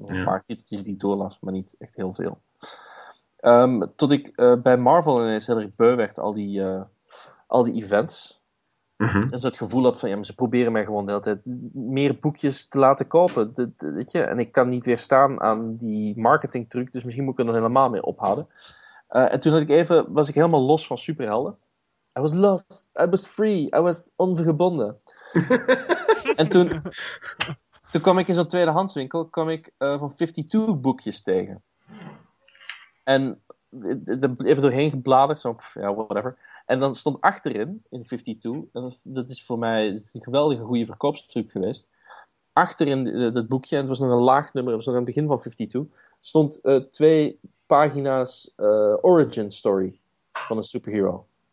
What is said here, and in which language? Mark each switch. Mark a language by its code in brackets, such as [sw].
[nl] Een paar titeltjes die ik doorlas, maar niet echt heel veel. Tot ik bij Marvel ineens heel erg beu werd, al die events. Mm-hmm. En zo het gevoel had van, ja, maar ze proberen mij gewoon de hele tijd meer boekjes te laten kopen. Weet je? En ik kan niet weerstaan aan die marketingtruc, dus misschien moet ik er dan helemaal mee ophouden. En toen was ik helemaal los van superhelden. [en] I was lost, I was free, I was onvergebonden. [nl] En toen kwam ik in zo'n tweedehandswinkel, van 52 boekjes tegen. En even doorheen gebladerd, zo, ja, whatever. En dan stond achterin, in 52, dat is voor mij een geweldige goede verkoopstruc geweest, achterin dat boekje, en het was nog een laag nummer, het was nog aan het begin van 52, stond twee pagina's origin story van een superhero.